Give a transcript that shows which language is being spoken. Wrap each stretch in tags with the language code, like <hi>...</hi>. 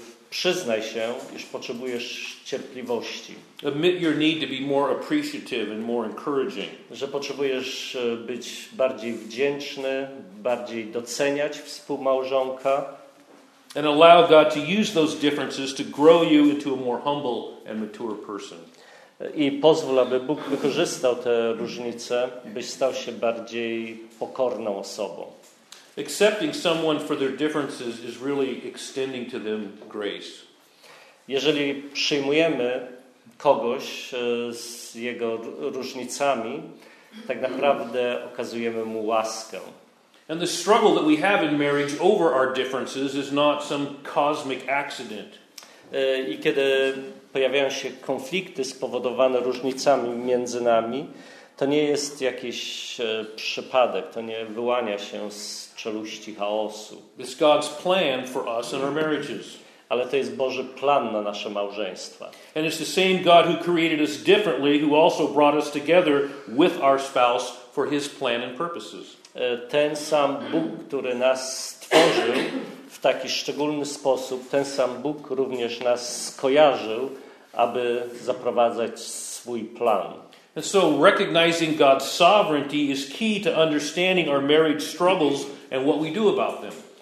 <pl>Przyznaj się, iż potrzebujesz cierpliwości.</pl> <en>Admit your need to be more appreciative and more encouraging.</en> <pl>Że potrzebujesz być bardziej wdzięczny, bardziej doceniać współmałżonka.</pl> <en>And allow God to use those differences to grow you into a more humble and mature person.</en> <pl>I pozwól, aby Bóg wykorzystał te różnice, byś stał się bardziej pokorną osobą.</pl> <en>Accepting someone for their differences is really extending to them grace.</en> <pl>Jeżeli przyjmujemy kogoś z jego różnicami, tak naprawdę okazujemy mu łaskę.</pl> <en>And the struggle that we have in marriage over our differences is not some cosmic accident.</en> <pl>I kiedy pojawiają się konflikty spowodowane różnicami między nami, to nie jest jakiś przypadek, to nie wyłania się z czeluści chaosu.</pl> <en>It's God's plan for us and our marriages.</en> <pl>Ale to jest Boży plan na nasze małżeństwa.</pl> <en>And it's the same God who created us differently, who also brought us together with our spouse for his plan and purposes.</en> <pl>Ten sam Bóg, który nas stworzył w taki szczególny sposób, ten sam Bóg również nas skojarzył, aby zaprowadzać swój plan.</pl> <en>And so recognizing God's sovereignty is key to understanding our marriage struggles and what we do about them.</en>